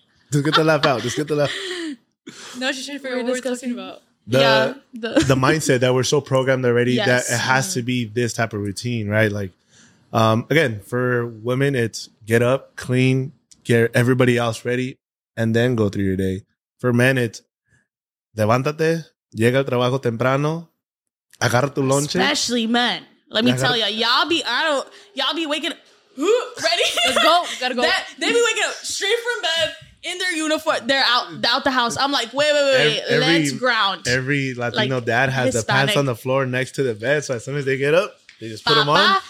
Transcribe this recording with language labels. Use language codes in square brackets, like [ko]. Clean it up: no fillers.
[en] Just get the laugh out. Just get the laugh. No, she's trying to figure out what we're talking about. The mindset that we're so programmed already that it has to be this type of routine, right? Like, again, for women, it's get up, clean, get everybody else ready, and then go through your day. For men, it's [es] levántate, llega al trabajo temprano, agarra tu lonche. [en] Especially men. Let me tell you, y'all be waking up. Ready? Let's go. Gotta go. They be waking up straight from bed in their uniform. They're out the house. I'm like, wait, let's ground. Every Latino like, dad has Hispanic. The pants on the floor next to the bed. So as soon as they get up, they just put them on.